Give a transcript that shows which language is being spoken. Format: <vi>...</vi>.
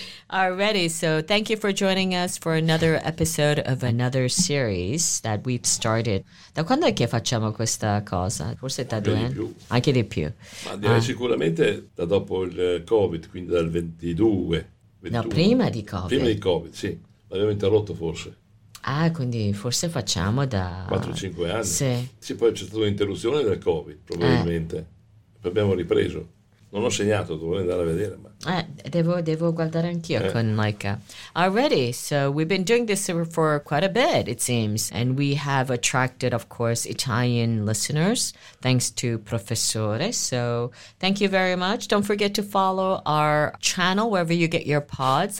<en>Alrighty, so thank you for joining us for another episode of another series that we've started.</en> <it>Da quando è che facciamo questa cosa? Forse da due anni? Anche di più. Ma direi sicuramente da dopo il Covid, quindi dal 22. No, prima di Covid. Prima di Covid, sì. L'abbiamo interrotto forse. Ah, quindi forse facciamo da... 4-5 anni. Sì. Sì, poi c'è stata un'interruzione del Covid, probabilmente. Poi abbiamo ripreso. Non ho segnato, dovrei andare a vedere, ma... Devo guardare anch'io con Laika.</it> <en>Already, so we've been doing this for quite a bit, it seems. And we have attracted, of course, Italian listeners, thanks to Professore. So thank you very much. Don't forget to follow our channel wherever you get your pods.</en>